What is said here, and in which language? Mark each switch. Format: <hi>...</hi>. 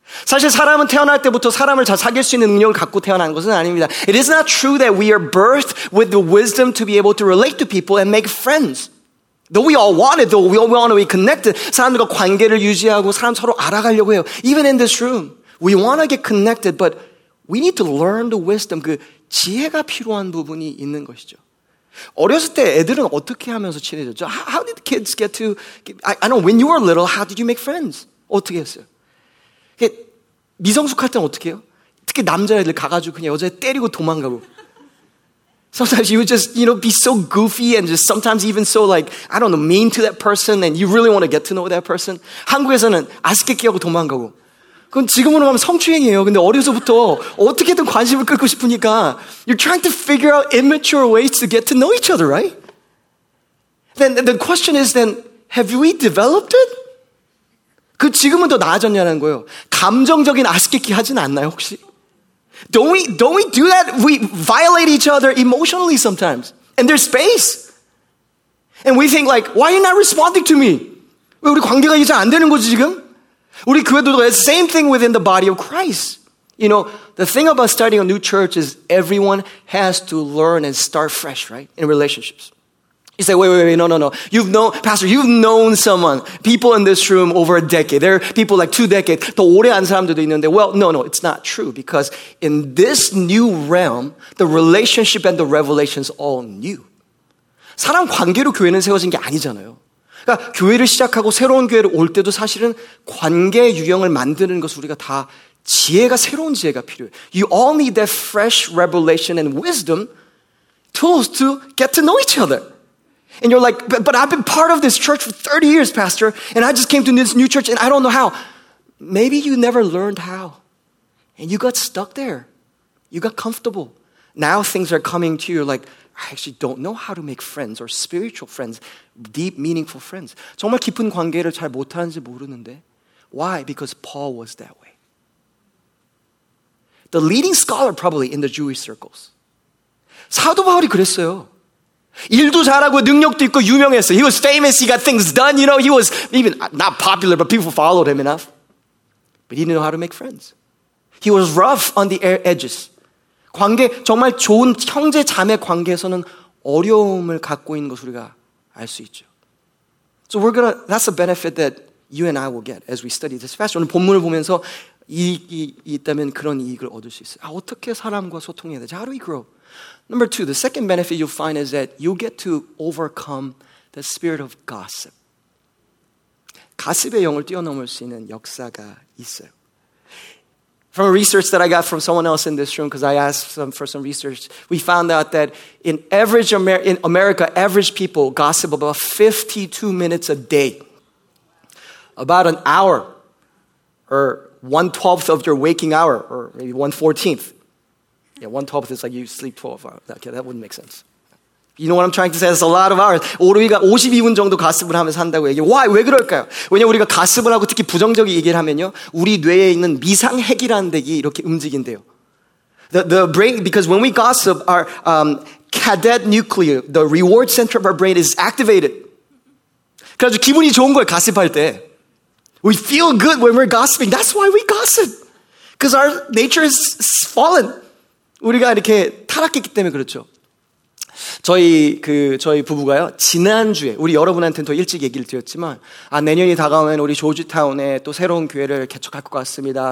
<ko>사실 사람은 태어날 때부터 사람을 잘 사귈 수 있는 능력을 갖고 태어난 것은 아닙니다.</ko> <en>It is not true that we are birthed with the wisdom to be able to relate to people and make friends. Though we all want it, though we want to be connected.</en> <ko>사람들과 관계를 유지하고 사람 서로 알아가려고 해요.</ko> <en>Even in this room, we want to get connected, but we need to learn the wisdom,</en> <ko>그 지혜가 필요한 부분이 있는 것이죠. 어렸을 때 애들은 어떻게 하면서 친해졌죠?</ko> <en>How did kids get to, I know, when you were little, how did you make friends?</en> <ko>어떻게 했어요? 미성숙할 때는 어떻게 해요? 특히 남자애들 가가지고 그냥 여자애 때리고 도망가고.</ko> <en>Sometimes you would just, you know, be so goofy and just sometimes even so like, I don't know, mean to that person and you really want to get to know that person.</en> <ko>한국에서는 아스케키 하고 도망가고. 그건 지금으로 가면 성추행이에요. 근데 어려서부터 어떻게든 관심을 끌고 싶으니까</ko> <en>You're trying to figure out immature ways to get to know each other, right? Then the question is then, have we developed it?</en> <ko>그 지금은 더 나아졌냐는 거예요. 감정적인 아스키키 하진 않나요, 혹시?</ko> <en>Don't we do that? We violate each other emotionally sometimes. And there's space. And we think like, why are you not responding to me?</en> <ko>왜 우리 관계가 이제 안 되는 거지, 지금? 우리 교회도</ko> <en>same thing within the body of Christ. You know, the thing about starting a new church is everyone has to learn and start fresh, right? In relationships. You say, wait, no. Pastor, you've known someone, people in this room over a decade. There are people like 2 decades. 더 오래 안 사람들도 있는데. Well, no, it's not true. Because in this new realm, the relationship and the revelation is all new. 사람 관계로 교회는 세워진 게 아니잖아요. 그러니까 교회를 시작하고 새로운 교회를 올 때도 사실은 관계 유형을 만드는 것을 우리가 다 지혜가, 새로운 지혜가 필요해. You all need that fresh revelation and wisdom tools to get to know each other. And you're like, but I've been part of this church for 30 years, Pastor, and I just came to this new church, and I don't know how. Maybe you never learned how, and you got stuck there. You got comfortable. Now things are coming to you like, I actually don't know how to make friends or spiritual friends, deep, meaningful friends.</en> <ko>정말 깊은 관계를 잘 못하는지 모르는데.</ko> <en>Why? Because Paul was that way. The leading scholar probably in the Jewish circles.</en> <ko>사도 바울이 그랬어요. 일도 잘하고 능력도 있고 유명했어.</ko> <en>He was famous. He got things done. You know, he was even not popular, but people followed him enough. But he didn't know how to make friends. He was rough on the edges.</en> <ko>관계, 정말 좋은 형제 자매 관계에서는 어려움을 갖고 있는 것을 우리가 알 수 있죠.</ko> <en>So we're gonna, that's a benefit that you and I will get as we study this passage.</en> <ko>오늘 본문을 보면서 이익이 있다면 그런 이익을 얻을 수 있어요. 아, 어떻게 사람과 소통해야 되지?</ko> <en>How do we grow? Number two, the second benefit you'll find is that you'll get to overcome the spirit of gossip.</en> <ko>가십의 영을 뛰어넘을 수 있는 역사가 있어요.</ko> <en>From a research that I got from someone else in this room, because I asked them for some research, we found out that in America, average people gossip about 52 minutes a day. About an hour, or 1/12th of your waking hour, or maybe 1/14th. Yeah, 1/12th is like you sleep 12 hours. Okay, that wouldn't make sense. You know what I'm trying to say? It's a lot of hours.</en> <ko>우리가 52분 정도 가습을 하면서 한다고 얘기해요.</ko> <en>Why?</en> <ko>왜 그럴까요? 왜냐 우리가 가습을 하고 특히 부정적인 얘기를 하면요. 우리 뇌에 있는 미상핵이라는 데가 이렇게 움직인대요.</ko> <en>The brain, because when we gossip, our cadet nuclear, the reward center of our brain is activated.</en> <ko>그래서 기분이 좋은 거예요, 가습할 때.</ko> <en>We feel good when we're gossiping. That's why we gossip. Because our nature is fallen.</en> <ko>우리가 이렇게 타락했기 때문에 그렇죠. 저희 부부가요, 지난주에, 우리 여러분한테는 더 일찍 얘기를 드렸지만, 아, 내년이 다가오면 우리 조지타운에 또 새로운 교회를 개척할 것 같습니다.</ko>